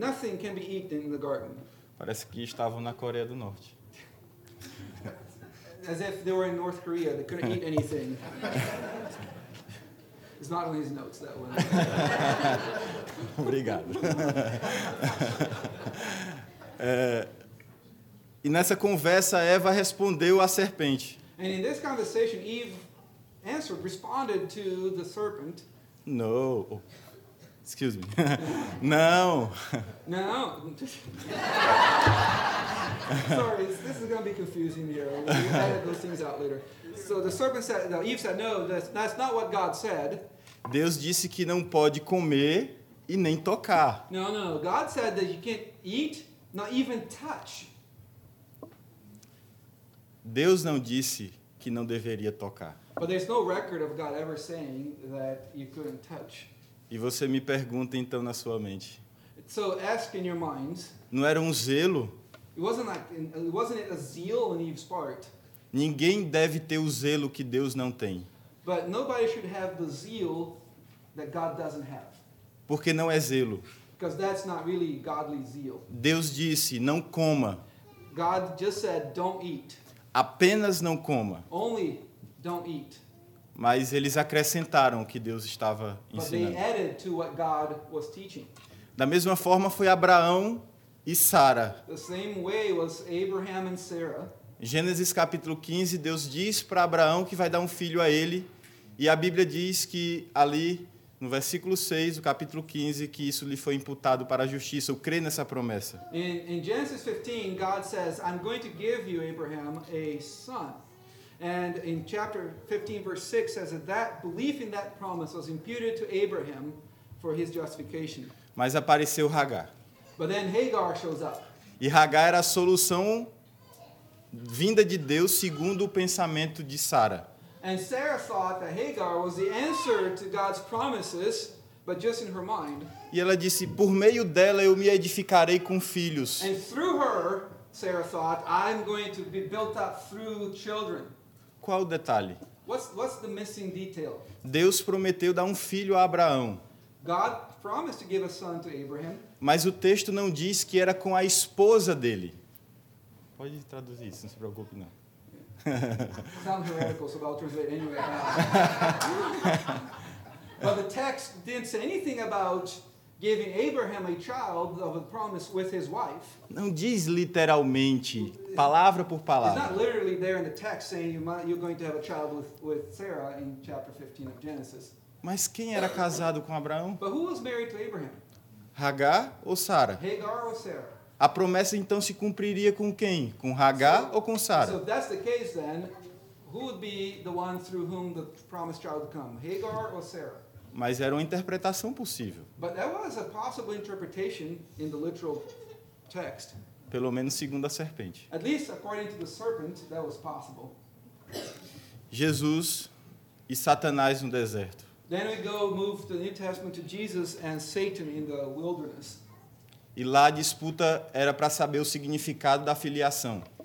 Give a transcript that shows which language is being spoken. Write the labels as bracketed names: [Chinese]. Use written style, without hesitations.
[English] Nothing can be eaten in the garden. [Portuguese] Parece que estavam na Coreia do Norte. [English] As if they were in North Korea, they couldn't eat anything. It's not on his notes, that one. [Portuguese] Obrigado. E nessa conversa, Eva respondeu à serpente. [English] And in this conversation, Eve answered, responded to the serpent. No. Excuse me. [Portuguese] Não. [English] No. Sorry, this is going to be confusing here. We'll edit those things out later. So the serpent said, no, Eve said, no, that's not what God said. [Portuguese] Deus disse que não pode comer e nem tocar. [English] No. God said that you can't eat, not even touch. [Portuguese] Deus não disse que não deveria tocar. [English] But there's no record of God ever saying that you couldn't touch. [Portuguese] E você me pergunta então na sua mente. [English] So ask in your minds. [Portuguese] Não era um zelo? [English] Wasn't it a zeal in Eve's part? [Portuguese] Ninguém deve ter o zelo que Deus não tem. [English] But nobody should have the zeal that God doesn't have. [Portuguese] Porque não é zelo. [English] Because that's not really godly zeal. [Portuguese] Deus disse, não coma. [English] God just said, don't eat. [Portuguese] Apenas não coma. [English] Only don't eat. [Portuguese] Mas eles acrescentaram o que Deus estava ensinando. [English] But they added to what God was teaching. [Portuguese] Da mesma forma foi Abraão e Sara. [English] The same way was Abraham and Sarah. [Portuguese] Gênesis capítulo 15, Deus diz para Abraão que vai dar um filho a ele. E a Bíblia diz que ali, no versículo 6, do capítulo 15, que isso lhe foi imputado para a justiça. Eu creio nessa promessa. [English] In Genesis 15, God says, I'm going to give you, Abraham, a son. And in chapter 15, verse 6, says that belief in that promise was imputed to Abraham for his justification. [Portuguese] Mas apareceu Hagar. [English] But then Hagar shows up. [Portuguese] E Hagar era a solução vinda de Deus, segundo o pensamento de Sara. [English] And Sarah thought that Hagar was the answer to God's promises, but just in her mind. [Portuguese] E ela disse, por meio dela eu me edificarei com filhos. [English] And through her, Sarah thought, I'm going to be built up through children. [Portuguese] Qual o detalhe? [English] What's the missing detail? [Portuguese] Deus prometeu dar um filho a Abraão. [English] God promised to give a son to Abraham. [Portuguese] Mas o texto não diz que era com a esposa dele. Pode traduzir isso, não se preocupe não. [English] Sounds heretical, so I'll translate anyway. But the text didn't say anything about giving Abraham a child of a promise with his wife. [Portuguese] Não diz literalmente, palavra por palavra. [English] It's not literally there in the text saying you're going to have a child with Sarah in chapter 15 of Genesis. [Portuguese] Mas quem era casado com Abraão? [English] But who was married to Abraham? [Portuguese] Hagar ou Sara? [English] Hagar or Sarah? [Portuguese] A promessa então se cumpriria com quem? Com Hagar ou com Sara? [English] So if that's the case then, who would be the one through whom the promised child would come? Hagar or Sarah? [Portuguese] mas era uma interpretação possível. [English] But that was a possible interpretation in the literal text. [Portuguese] Pelo menos segundo a serpente. [English] At least according to the serpent, that was possible. [Portuguese] Jesus e Satanás no deserto. [English] Then we go move to the New Testament to Jesus and Satan in the wilderness. [Portuguese] E lá a disputa era para saber o significado da filiação.